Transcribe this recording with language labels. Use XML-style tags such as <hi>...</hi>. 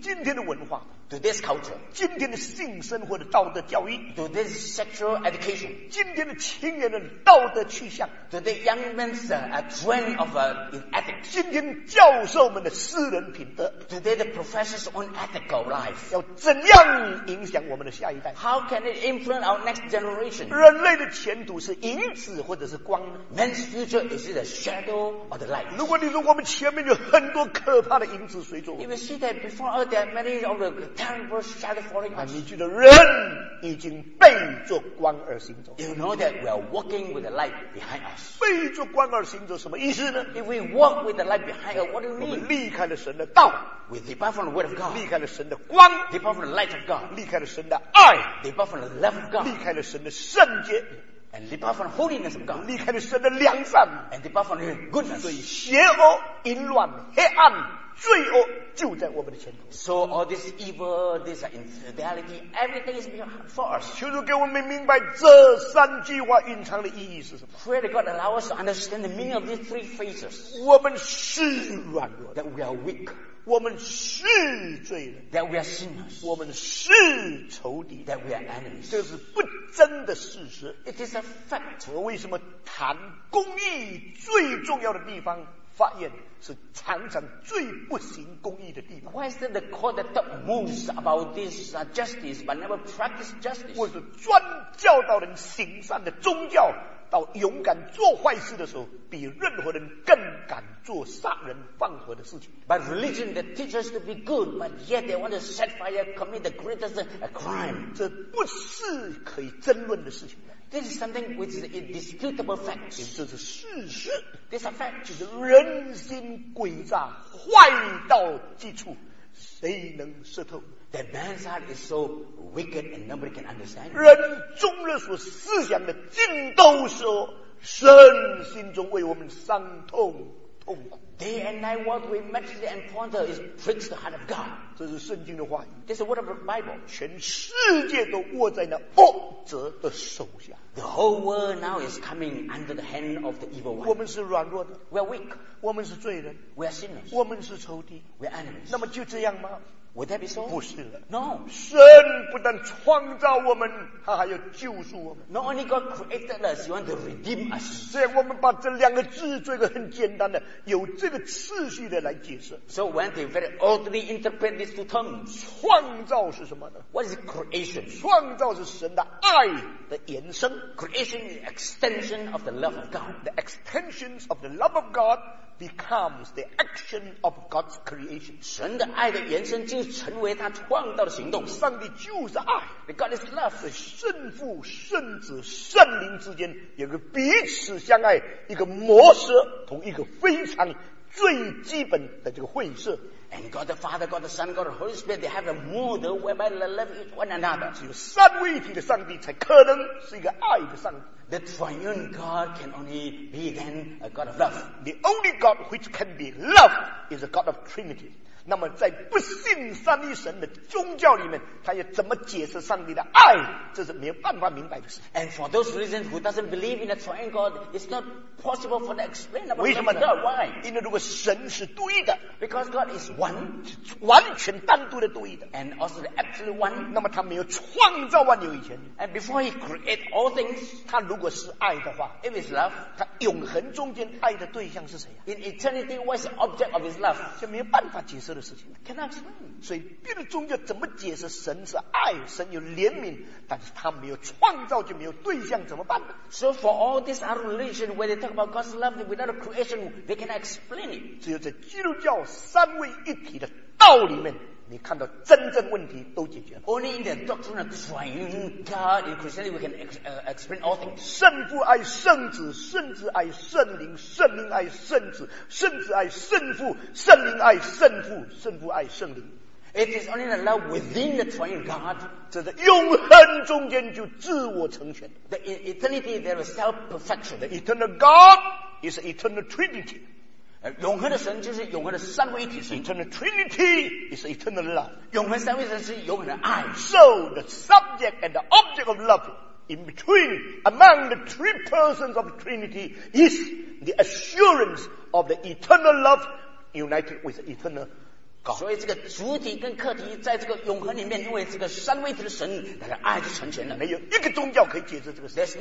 <zh>今天的文化。</zh> <en>Today's culture.</en> <zh>今天的性生活的道德教育。</zh> <en>Today's sexual education.</en> <zh>今天的青年人道德趋向。</zh> <en>Today young men's a trend of ethics.</en> <zh>今天教授们的私人品德。</zh> <en>Today the professor's own ethical life.</en> <zh>要怎样影响我们的下一代？</zh> <en>How can it influence our next generation?</en> <zh>人类的前途是影子或者是光呢？</zh> <en>Man's future is it a shadow or the light?</en> <zh>如果你说我们前面有很多可怕的影子随着我们。</zh> <en>You will see that before us there are many of the terrible shadow falling on</en> <zh>us. 你觉得人已经背着光而行走。</zh> <en>You know that we are walking with the light behind us.</en> <zh>背着光而行走什么意思呢？</zh> <en>If we walk with the light behind us, what do you mean?</en> <zh>我们离开了神的道。</zh> <en>We depart from the word of God.</en> <zh>离开了神的光。</zh> <en>Depart from the light of God.</en> <zh>离开了神的爱。</zh> <en>Depart from the love of God.</en> <zh>离开了神的圣洁。</zh> <en>And depart from the holiness of God.</en> <zh>离开了神的良善。</zh> <en>And depart from the goodness.</en> <zh>所以邪恶、淫乱、黑暗。罪恶就在我们的前头。</zh> <en>So all this evil, this infidelity, everything is before us.</en> <zh>求主给我们明白这三句话隐藏的意义是什么。</zh> <en>Pray that God allow us to understand the meaning of these three phrases.</en> <zh>我们是软弱。</zh> <en>That we are weak.</en> <zh>我们是罪人。</zh> <en>That we are sinners.</en> <zh>我们是仇敌。</zh> <en>That we are enemies.</en> <zh>这是不争的事实。</zh> <en>It is a fact.</en> <zh>我为什么谈公义最重要的地方发言是常常最不行公义的地方。</zh> <en>Why is that the court that talk most about this justice but never practice justice?</en> <zh>我是专教导人行善的宗教，到勇敢做坏事的时候，比任何人更敢做杀人放火的事情。</zh> <en>But religion that teaches to be good, but yet they want to set fire, commit the greatest crime.</en> <zh>这不是可以争论的事情。</zh> <en>This is something which is a disputable fact.</en> <zh>这是事实。</zh> <en>This is a fact.</en> <zh>就是人心诡诈，坏到极处，谁能识透？</zh> <en>That man's heart is so wicked and nobody can understand.</en> <zh>人中人所思想的尽都是恶，神心中为我们伤痛痛苦。</zh> <en>Day and night what we meditate and ponder is pricks the heart of God.</en> <zh>这是圣经的话语。</zh> <en>This is the word of the Bible.</en> <zh>全世界都握在那恶者的手下。</zh> <en>The whole world now is coming under the hand of the evil one.</en> <zh>我们是软弱的。</zh> <en>We are weak.</en> <zh>我们是罪人。</zh> <en>We are sinners.</en> <zh>我们是仇敌。</zh> <en>We are enemies.</en> <zh>那么就这样吗？</zh> <en>Would that be so?</en> <zh>不是的。</zh> <en>No.</en> <zh>神不但创造我们，他还要救赎我们。</zh> <en>Not only God created us, he wants to redeem us.</en> <zh>所以我们把这两个字做一个很简单的，有这个次序的来解释。</zh> <en>So we want to very orderly interpret these two terms.</en> <zh>创造是什么呢？</zh> <en>What is creation?</en> <zh>创造是神的爱的延伸。</zh> <en>Creation is extension of the love of God. The extensions of the love of God becomes the action of God's creation.</en> <zh>神的爱的延伸就成为他创造的行动。上帝就是爱。</zh> <en>The God is love.</en> <zh>是圣父、圣子、圣灵之间有个彼此相爱，一个模式同一个非常最基本的这个会社。</zh> <en>And God the Father, God the Son, God the Holy Spirit, they have a model whereby they love one another.</en> <zh>只有三位一体的上帝才可能是一个爱的上帝。</zh> <en>The triune God can only be then a God of love. The only God which can be love is a God of Trinity.</en> <zh>那么在不信三一神的宗教里面，他要怎么解释上帝的爱？这是没有办法明白的事。</zh> <en>And for those reasons who doesn't believe in the triune God, it's not possible for them to explain about God.</en> <zh>为什么呢？</zh> <en>Why?</en> <zh>因为如果神是独一的，</zh> <en>because God is one,</en> <zh>完全单独的独一的，</zh> <en>and also the absolute one.</en> <zh>那么他没有创造万有以前，</zh> <en>and before he created all things,</en> <zh>他如果是爱的话，</zh> <en>if it's love,</en> <zh>他永恒中间爱的对象是谁呀？</zh> <en>In eternity, what's the object of his love?</en> <zh>就没有办法解释了。的事情。</zh> <en>Cannot explain.</en> <zh>所以别的宗教怎么解释神是爱，神有怜悯，但是他没有创造就没有对象，怎么办呢？</zh> <en>So for all these other religions, when they talk about God's love without a creation, they cannot explain it.</en> <zh>只有在基督教三位一体的道里面，你看到真正问题都解决了。</zh> <en>Only in the doctrine of triune God in Christianity we can explain all things.</en> <zh>圣父爱圣子，圣子爱圣灵，圣灵爱圣子，圣子爱圣父，圣灵爱圣父，圣父爱圣灵。</zh> <en>It is only the love within the triune God.</en> <zh>这在永恒中间就自我成全。</zh> <en>The eternity there is self perfection. The eternal God is eternal Trinity.</en> <zh>永恒的神就是永恒的三位一体神。</zh> <en>Eternal Trinity is eternal love.</en> <zh>永恒三位神是永恒的爱。</zh> <en>So the subject and the object of love in between among the three persons of the Trinity is the assurance of the eternal love united with the eternal God.</en> <zh>所以这个主体跟客体在这个永恒里面，因为这个三位一体的神，那个爱就成全了。没有一个宗教可以解释这个神。</zh>